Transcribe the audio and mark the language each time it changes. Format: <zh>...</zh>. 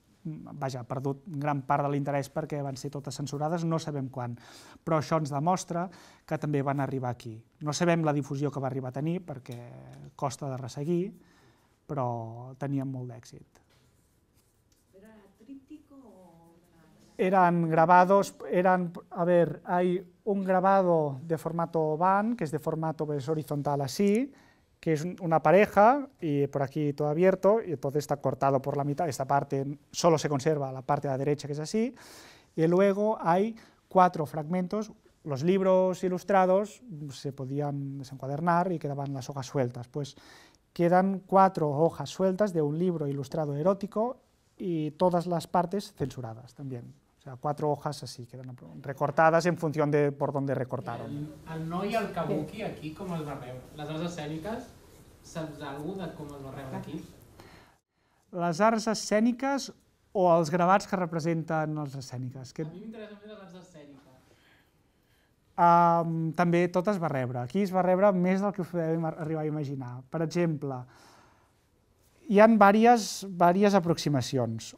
<ca>Vaja, ha perdut gran part de l'interès perquè van ser totes censurades, no sabem quan. Però això ens demostra que també van arribar aquí. No sabem la difusió que va arribar a tenir perquè costa de resseguir, però tenien molt d'èxit.</ca> <es>Eran grabados, eran, a ver, hay un grabado de formato oval, que es de formato pues, horizontal así, que es una pareja, y por aquí todo abierto, y entonces está cortado por la mitad, esta parte solo se conserva la parte de la derecha, que es así, y luego hay 4 fragmentos, los libros ilustrados se podían desencuadernar y quedaban las hojas sueltas, pues quedan 4 hojas sueltas de un libro ilustrado erótico, y todas las partes censuradas también. O sea, 4 hojas así, quedan recortadas en función de por dónde recortaron.</es> <ca>El noi, el kabuki, aquí, ¿cómo el va a rebre? Les arts escèniques, saps algú de com el va a rebre aquí? Les arts escèniques o els gravats que representen les escèniques? A mi m'interessa més les arts escèniques. També tot es va rebre. Aquí es va rebre més del que us podem arribar a imaginar. Per exemple, hi ha diverses aproximacions.</ca>